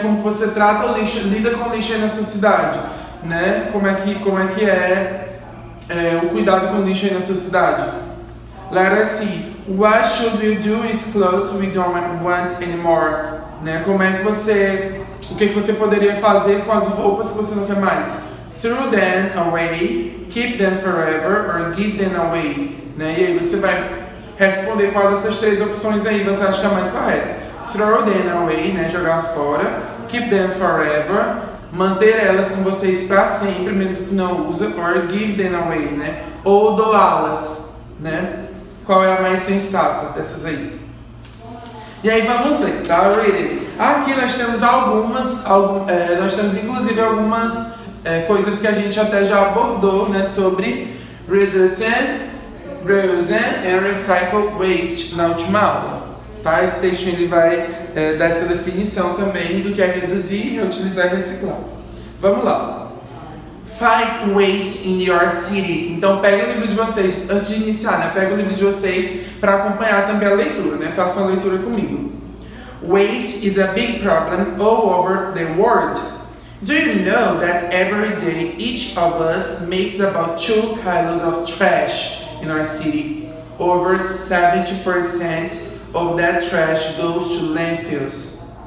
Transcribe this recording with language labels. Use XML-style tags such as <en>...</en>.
<pt>Como você trata o lixo, lida com o lixo aí na sua cidade, né? Como é que é o cuidado com o lixo aí na sua cidade?</pt> <en>Letter C. What should we do with clothes we don't want anymore?</en> <pt>Né? O que você poderia fazer com as roupas que você não quer mais?</pt> <en>Throw them away, keep them forever, or give them away. Né?</en> <pt>E aí você vai responder qual dessas três opções aí você acha que é mais correta.</pt> <en>Throw them away, né?</en> <pt>Jogar fora.</pt> <en>Keep them forever.</en> <pt>Manter elas com vocês para sempre, mesmo que não use.</pt> <en>Or give them away, né?</en> <pt>Ou doá-las,</pt> <en>né?</en> <pt>Qual é a mais sensata dessas aí? E aí vamos ler, tá?</pt> <en>Read it.</en> <pt>Aqui nós temos algumas coisas que a gente até já abordou, né, sobre</pt> <en>reducing, reusing and recycle waste</en> <pt>na última aula. Tá? Esse texto ele vai dar essa definição também do que é reduzir, reutilizar e reciclar. Vamos lá.</pt> <en>Fight waste in your city.</en> <pt>Então pega o livro de vocês, antes de iniciar, né? Pega o livro de vocês para acompanhar também a leitura, né? Façam a leitura comigo.</pt> <en>Waste is a big problem all over the world. Do you know that every day each of us makes about 2 kilos of trash in our city? Over 70% of that trash goes to landfills.</en>